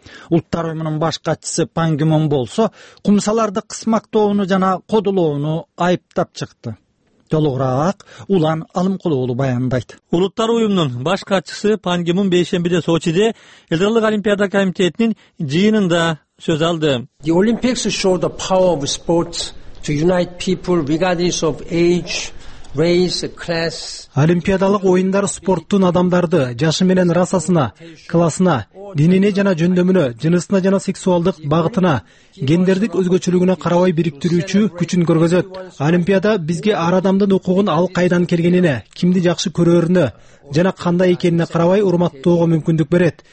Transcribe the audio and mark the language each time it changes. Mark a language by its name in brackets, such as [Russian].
[Kyrgyz] Улуттар уюмунун баш катчысы Пан Ги Мун болсо кумсаларды кысмактоону жана кодолоону айыптап чыкты. Толугураак Улан Алымкулуулу баяндайт. Улуттар уюмунун баш катчысы Пан Ги Мун бейшембиде Сочиде Элдарлык олимпиада комитетинин жыйынында сөз алды. [English] The Olympics show the power of sports to unite people regardless of age, race, class. [Kyrgyz] Олимпиадалык оюндар спорттун адамдарды жашы менен расасына, классына, динине жана жөндөмүнө, жынысына жана сексуалдык багытына, гендердик өзгөчөлүгүнө карабай бириктирүүчү күчүн көргөзөт. Олимпиада бизге ар адамдын укугун ал кайдан келгенине, кимди жакшы көрөрүнө жана кандай экенине карабай урматтоого мүмкүндүк берет.